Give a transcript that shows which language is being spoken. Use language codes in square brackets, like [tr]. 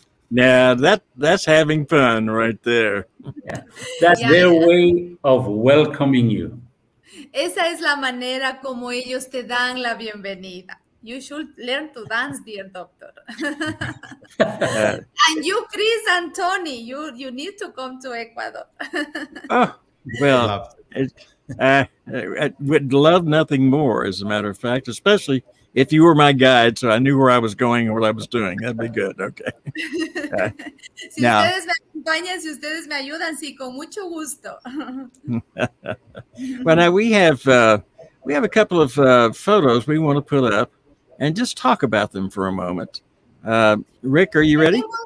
[en] Now, that's having fun right there. Yeah. That's their way of welcoming you. [es] Esa es la manera como ellos te dan la bienvenida. [en] You should learn to dance, dear doctor. And you, Chris and Tony, you need to come to Ecuador. I would love nothing more, as a matter of fact, especially if you were my guide, so I knew where I was going and what I was doing. That'd be good. Okay. [es] Si [en] now, [es] ustedes me acompañan, si ustedes me ayudan, sí, con mucho gusto. [en] Well, now we have a couple of photos we want to put up and just talk about them for a moment. Rick, are you ready?